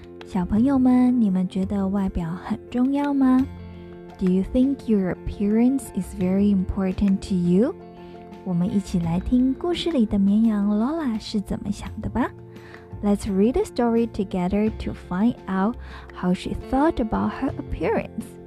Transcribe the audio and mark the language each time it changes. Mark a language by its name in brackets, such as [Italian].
[Chinese] 小朋友们，你们觉得外表很重要吗？ [English] Do you think your appearance is very important to you? [Chinese] 我们一起来听故事里的绵羊 Lola 是怎么想的吧。 [English] Let's read the story together to find out how she thought about her appearance.